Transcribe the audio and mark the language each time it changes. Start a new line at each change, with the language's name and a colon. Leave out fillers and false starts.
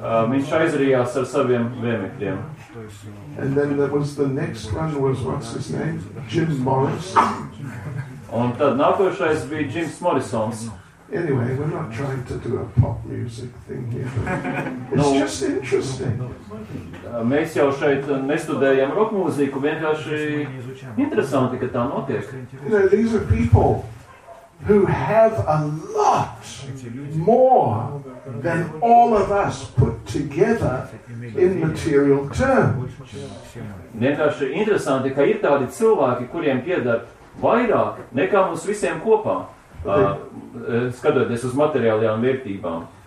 Latvian: Viņš aizrījās ar saviem vēmekļiem.
English: And then there was the next one was, what's his name? Jim Morrison.
Latvian: Un tad nākošais bija Jim Morrison.
English: Anyway, we're not trying to do a pop music thing here. It's just interesting.
Latvian: Mēs jau šeit nestudējam rock mūziku, vienkārši interesanti, ka tā notiek.
English: You know, these are people who have a lot more than all of us put together in material terms.
Latvian: Vienkārši interesanti, ka ir tādi cilvēki, kuriem pieder vairāk nekā mums visiem kopā, skatoties uz materiālajām vērtībām.